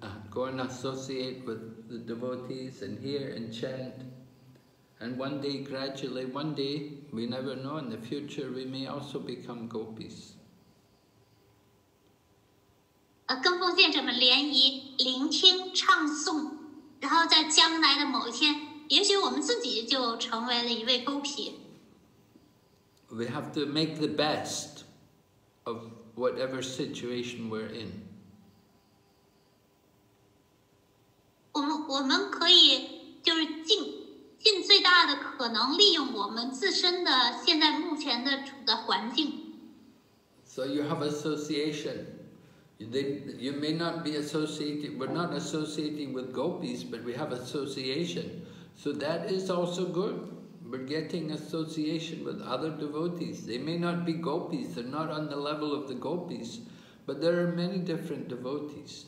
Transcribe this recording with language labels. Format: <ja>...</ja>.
<en>Go and associate with the devotees and hear and chant. And one day, gradually, one day, we never know, in the future, we may also become gopis.</en> <zh>跟奉殿者们联谊、聆听、唱诵，然后在将来的某一天，也许我们自己就成为了一位勾皮。</zh> <en>We have to make the best of whatever situation we're in.</en> <zh>我们可以就是尽最大的可能利用我们自身的现在目前的处的环境。</zh> <en>So you have association. You may not be associated, we're not associating with gopis, but we have association. So that is also good. We're getting association with other devotees. They may not be gopis, they're not on the level of the gopis, but there are many different devotees.</en>